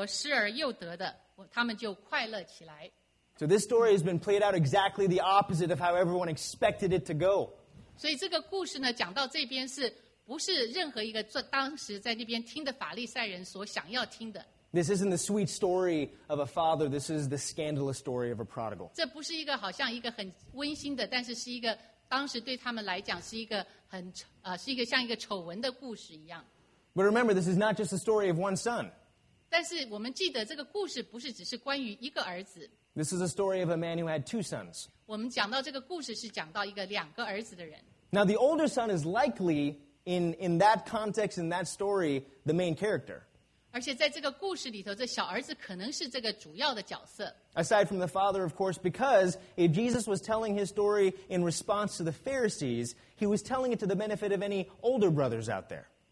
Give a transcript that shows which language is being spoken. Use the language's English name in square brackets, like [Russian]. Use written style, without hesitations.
[Chinese] 而耶稣又继续说，把那肥牛犊牵来宰了，我们可以吃喝快乐，因为我这个儿子是死而复活，失而又得的，他们就快乐起来。 [English] So this story has been played out exactly the opposite of how everyone expected it to go. [Chinese] 所以这个故事呢，讲到这边是不是任何一个当时在那边听的法利赛人所想要听的。 [English] This isn't the sweet story of a father. This is the scandalous story of a prodigal. [Chinese] 这不是一个好像一个很温馨的，但是是一个当时对他们来讲是一个很像一个丑闻的故事一样。 [English] But remember, this is not just the story of one son. [Chinese] 但是我们记得这个故事不是只是关于一个儿子。 [English] This is a story of a man who had two sons. [Chinese] 我们讲到这个故事是讲到一个两个儿子的人。 [English] Now, the older son is likely, in that context, in that story, the main character. [Chinese] 而且在这个故事里头，这小儿子可能是这个主要的角色。 [English] Aside from the father, of course, because if Jesus was telling his story in response to the Pharisees, he was telling it to the benefit of any older brothers out there.